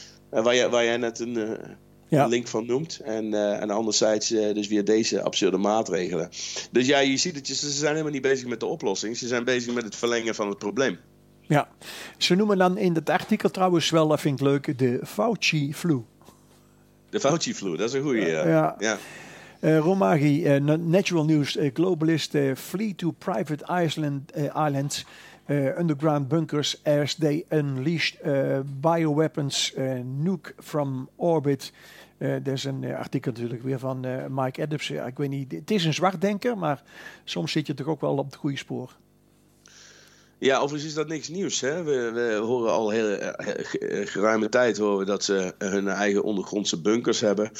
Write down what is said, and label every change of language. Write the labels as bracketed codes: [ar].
[nl] Waar jij net een link van noemt. En anderzijds dus weer deze absurde maatregelen. Dus ja, je ziet het, ze zijn helemaal niet bezig met de oplossing. Ze zijn bezig met het verlengen van het probleem. Ja, ze noemen dan in dat artikel trouwens wel, dat vind ik leuk, de Fauci-flu. De Fauci-flu, dat is een goeie. Ja. [en] Romagi, Natural News, globalist, flee to private islands, underground bunkers as they unleashed bioweapons, nuke from orbit. [nl] Er is een artikel natuurlijk weer van Mike Adams. Ik weet niet, het is een zwartdenker, maar soms zit je toch ook wel op het goede spoor. Ja, overigens is dat niks nieuws. Hè? We horen al heel geruime tijd horen dat ze hun eigen ondergrondse bunkers hebben.